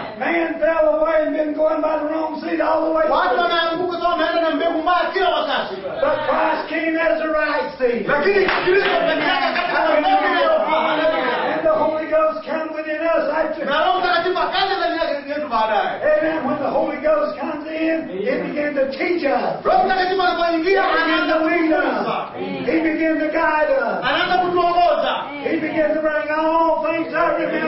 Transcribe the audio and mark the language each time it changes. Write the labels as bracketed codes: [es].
[en] Man fell away and been going by the wrong seed all the way. [sw] Watu wanaanguka tu wanaenda na mbegu mbaya kila wakati. [en] But Christ came as the right seed. [sw] Lakini Kristo akaja katika mbegu ya ufahamu. [en] And the Holy Ghost came within us. [sw] Na Roho Mtakatifu akaja ndani yetu baadaye. Amen. [en] When the Holy Ghost comes in, he began to teach us. [sw] Roho Mtakatifu alipoingia anaanza kufundisha. [en] He began to guide us. [sw] Anaanza kutuongoza. [en] He begins to bring all things out of him.